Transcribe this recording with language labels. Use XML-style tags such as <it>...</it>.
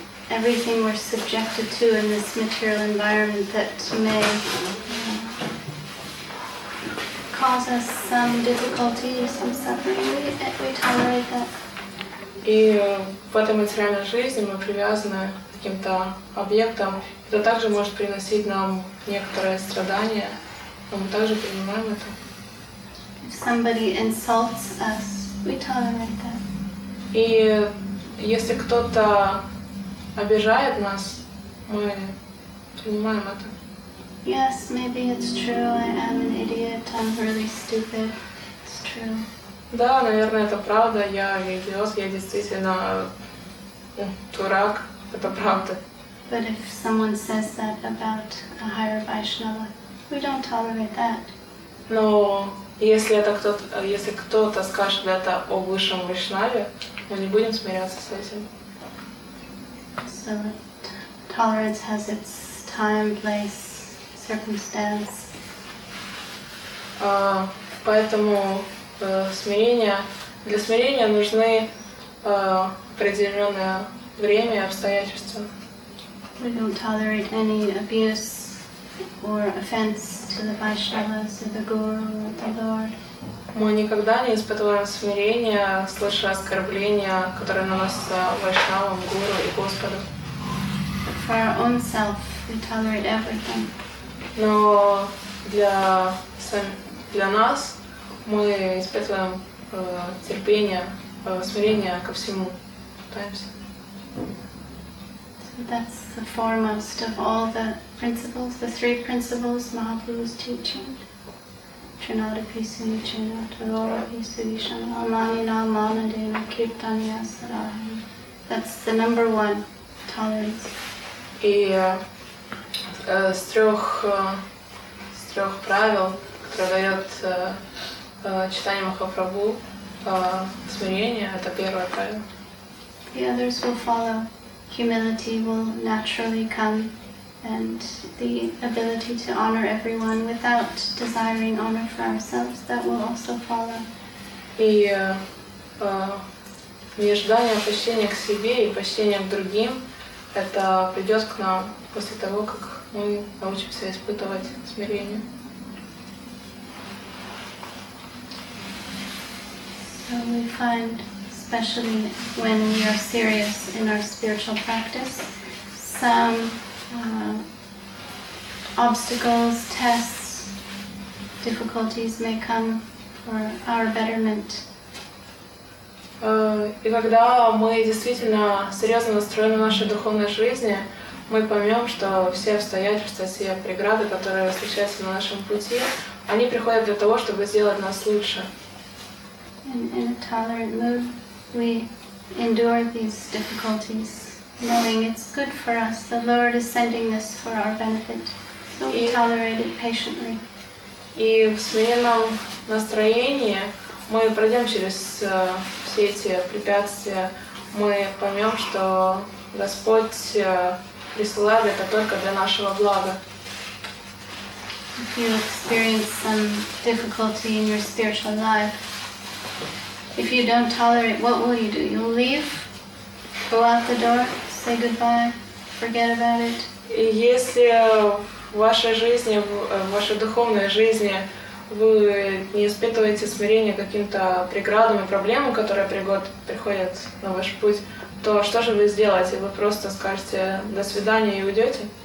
<en>Everything we're subjected to in this material environment that may cause us some difficulty, some suffering, we tolerate that.</en> <ru>И в этой материальной жизни мы привязаны к каким-то объектам. Это также может приносить нам некоторые страдания, но мы также принимаем это.</ru> <en>If somebody insults us, we tolerate that.</en> <ru>И если кто-то обижает нас, мы принимаем это.</ru> <en>Yes, maybe it's true. I am an idiot. I'm really stupid. It's true.</en> <ru>Да, наверное, это правда. Я религиоз, я действительно дурак. Это правда.</ru> <en>But if someone says that about a higher Vaishnava, we don't tolerate that.</en> <ru>Но если это кто-то скажет это о высшем Вайшнаве, мы не будем смиряться с этим.</ru> <en>So tolerance has its time, place, circumstance.</en> <ru>Поэтому смирение. Для смирения нужны определенное время и обстоятельства.</ru> <en>We don't tolerate any abuse or offense to the Vaishnavas, to the Guru, the Lord.</en> <ru>Мы никогда не испытываем смирения, слыша оскорбления, которые наносятся Вайшнавам, Гуру и Господу.</ru> <en>But for our own self, we tolerate everything.</en> <ru>Но для нас мы испытываем терпение, смирение ко всему. Пытаемся.</ru> <en>That's the foremost of all the principles, the three principles Mahaprabhu's teaching.</en> <sa>Trinada Pisuni Chinna Tarora Pisuni Shana Amanina Manadeva Kirtanya Sarahi.</sa> <en>That's the number one, tolerance.</en> <ru>И с трех правил, которые дает читание Махапрабху, смирение — это первое правило.</ru> <en>The others will follow. Humility will naturally come, and the ability to honor everyone without desiring honor for ourselves, that will also follow.</en> <ru>И нежелание почтения к себе и почтение к другим, это придет к нам после того, как мы научимся испытывать смирение.</ru> <en>So we find, especially when we are serious in our spiritual practice, some obstacles, tests, difficulties may come for our betterment.</en> <ru>И когда мы действительно серьезно настроены в нашей духовной жизни, мы поймем, что все обстоятельства, все преграды, которые встречаются на нашем пути, они приходят для того, чтобы сделать нас лучше.</ru> <en>In a tolerant mood, we endure these difficulties, knowing it's good for us. The Lord is sending this for our benefit, so we tolerate it patiently.</en> <ru>И в смиренном настроении мы пройдем через все эти препятствия. Мы поймем, что Господь присылает это только для нашего блага.</ru> <en>If you experience some difficulty in your spiritual life, if you don't tolerate, what will you do? You'll leave, go out the door, say goodbye, forget about it.</en> <ru>Если в вашей жизни, в вашей духовной жизни, вы не испытываете смирения каким-то преградам и проблемам, которые приходят на ваш путь, то что же вы сделаете? Вы просто скажете до свидания и уйдете?</ru>